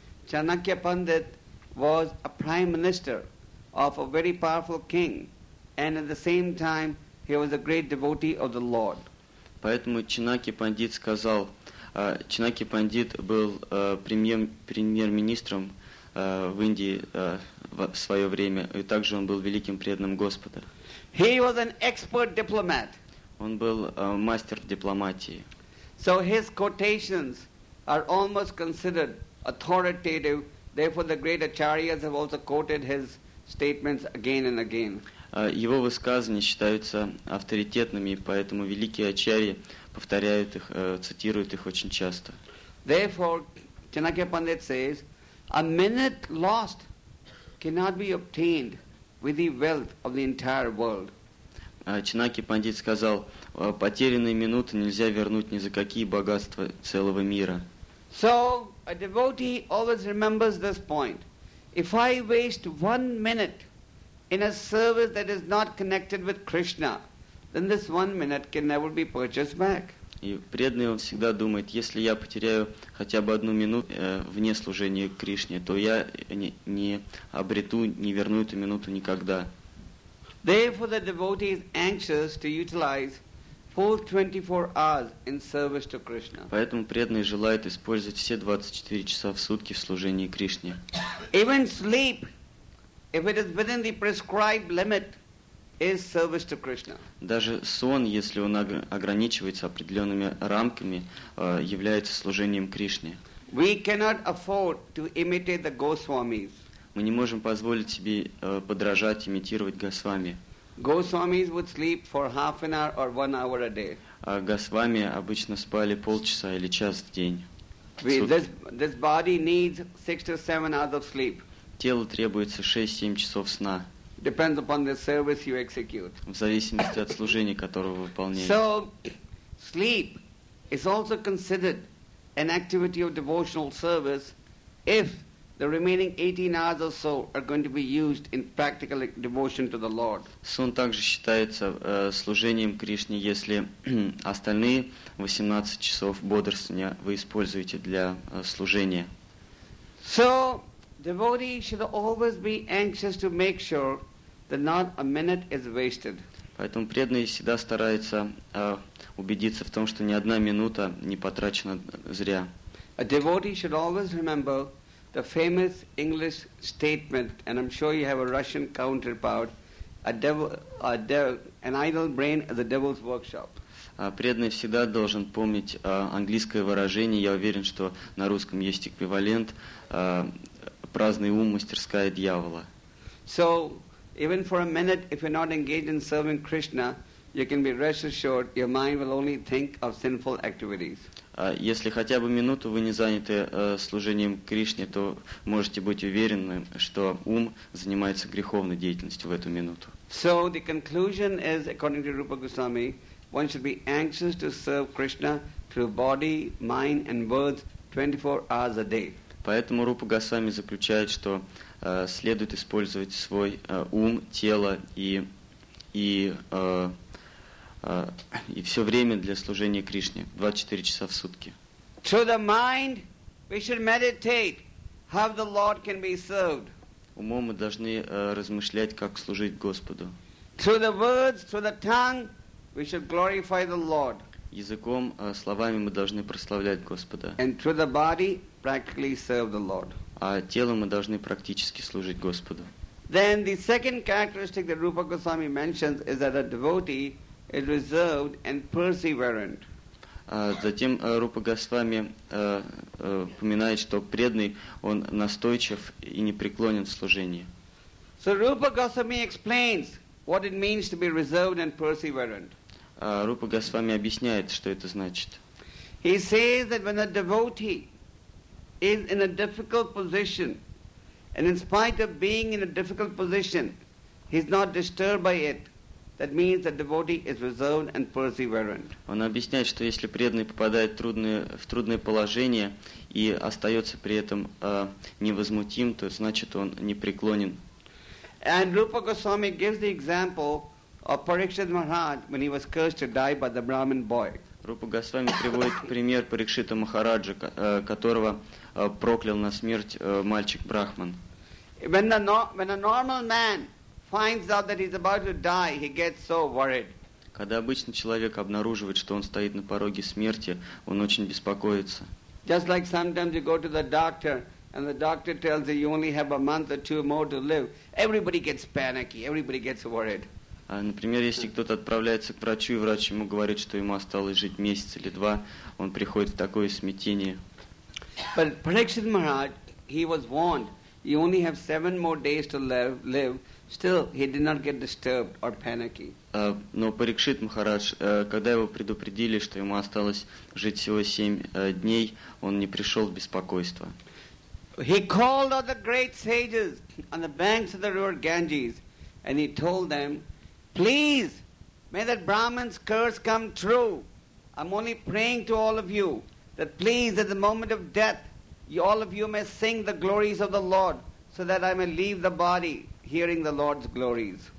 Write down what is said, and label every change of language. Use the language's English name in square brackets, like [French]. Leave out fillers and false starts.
[English] Chanakya Pandit was a prime minister of a very powerful king, and at the same time he was a great devotee of the Lord. [Russian] Поэтому Чинаки Пандит сказал, Чинаки Пандит был премьер-министром в Индии в свое время, и также он был великим преданным Господа. [English] He was an expert diplomat. [Russian] Он был мастер в дипломатии. [English] So his quotations are almost considered authoritative, therefore the great acharyas have also quoted his statements again and again. [Russian] Его высказывания считаются авторитетными, поэтому великие ачарьи повторяют их, цитируют их очень часто. [English] Therefore, Chanakya Pandit says, a minute lost cannot be obtained with the wealth of the entire world. [Russian] Чинаки Пандит сказал, потерянные минуты нельзя вернуть ни за какие богатства целого мира. [English] So, a devotee always remembers this point. If I waste 1 minute in a service that is not connected with Krishna, then this 1 minute can never be purchased back. [Russian] И преданный он всегда думает, если я потеряю хотя бы 1 минуту вне служения Кришне, то я не обрету, не верну эту минуту никогда. [English] Therefore, the devotee is anxious to utilize full 24 hours in service to Krishna. [Russian] Поэтому преданный желает использовать все 24 часа в сутки в служении Кришне. [English] Even sleep, if it is within the prescribed limit, is service to Krishna. [Russian] Даже сон, если он ограничивается определенными рамками, является служением Кришне. [English] We cannot afford to imitate the Goswamis. [Russian] Мы не можем позволить себе подражать, имитировать Госвами. [English] Goswamis would sleep for half an hour or 1 hour a day. [Russian] А Госвами обычно спали полчаса или час в день. [English] This body needs 6 to 7 hours of sleep. [Russian] Телу требуется 6-7 часов сна. [English] Depends upon the service you execute. [Russian] В зависимости от служения, которое вы выполняете. [English] So, sleep is also considered an activity of devotional service if the remaining 18 hours or so are going to be used in practical devotion to the Lord. [Russian] Сон также считается служением Кришне, если остальные 18 часов бодрствования вы используете для служения. [English] So, devotee should always be anxious to make sure that not a minute is wasted. [Russian] Поэтому преданный всегда старается убедиться в том, что ни одна минута не потрачена зря. [English] A devotee should always remember the famous English statement, and I'm sure you have a Russian counterpart, an idle brain is a devil's workshop. [Russian] Преданный всегда должен помнить английское выражение, я уверен, что на русском есть эквивалент, праздный ум – мастерская дьявола. [English] So, even for a minute, if you're not engaged in serving Krishna, you can be rest assured, your mind will only think of sinful activities. [Russian] Если хотя бы минуту вы не заняты служением Кришне, то можете быть уверены, что ум занимается греховной деятельностью в эту минуту. [English] So the conclusion is, according to Rupa Goswami, one should be anxious to serve Krishna through body, mind and words 24 hours a day. [Russian] Поэтому Рупа Госвами заключает, что следует использовать свой ум, тело и все время для служения Кришне, 24 часа в сутки. [English] Through the mind we should meditate how the Lord can be served. [Russian] Умом мы должны размышлять, как служить Господу. [English] Through the words, through the tongue we should glorify the Lord. [Russian] Языком, словами мы должны прославлять Господа. [English] And through the body practically serve the Lord. [Russian] А телом мы должны практически служить Господу. [English] Then the second characteristic that Rupa Goswami mentions is that a devotee is reserved and perseverant. [Russian] Затем Рупа Госвами упоминает, что преданный, он настойчив и непреклонен в служении. [English] So Rupa Goswami explains what it means to be reserved and perseverant. [Russian] Рупа Госвами объясняет, что это значит. [English] He says that when a devotee is in a difficult position, and in spite of being in a difficult position, he's not disturbed by it, that means the devotee is reserved and perseverant. [Russian] Он объясняет, что если преданный попадает в трудное положение и остается при этом невозмутим, то значит он непреклонен. [English] And Rupa Goswami gives the example of Parikshit Maharaj when he was cursed to die by the Brahmin boy. [Russian] Рупа Госвами приводит пример Парикшита Махараджа, которого проклял на смерть мальчик Брахман. [English] When a normal man finds out that he's about to die, he gets so worried. [Russian] Когда обычный человек обнаруживает, что он стоит на пороге смерти, он очень беспокоится. [English] Just like sometimes you go to the doctor and the doctor tells you only have a month or two more to live, everybody gets panicky, everybody gets worried. [Russian] Например, если кто-то отправляется к врачу, и врач ему говорит, что ему осталось жить месяц или два, он приходит в такое смятение. [English] But Parikshit Maharaj, he was warned, you only have seven more days to live, still he did not get disturbed or panicky. [Russian] Но Парикшит Махарадж, когда его предупредили, что ему осталось жить всего семь дней, он не пришел в беспокойство. [English] He called all the great sages on the banks of the river Ganges, and he told them, please, may that Brahman's curse come true. I'm only praying to all of you that please, at the moment of death, all of you may sing the glories of the Lord so that I may leave the body hearing the Lord's glories.